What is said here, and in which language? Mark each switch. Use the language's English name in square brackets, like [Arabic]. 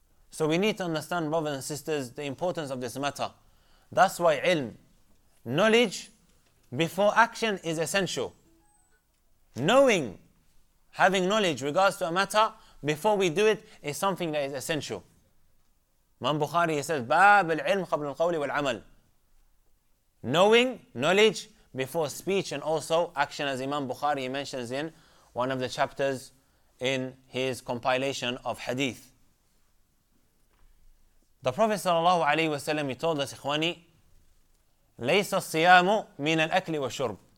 [English] So we need to understand, brothers and sisters, the importance of this matter. That's why ilm, knowledge before action, is essential. Knowing, having knowledge regards to a matter before we do it, is something that is essential. Imam Bukhari, he says, [Arabic] باب العلم قبل القول والعمل. [English] Knowing, knowledge, before speech and also action, as Imam Bukhari mentions in one of the chapters in his compilation of hadith. The Prophet sallallahu alaihi wasallam, he told us, [Arabic] إخواني, ليس الصيام من الأكل والشرب.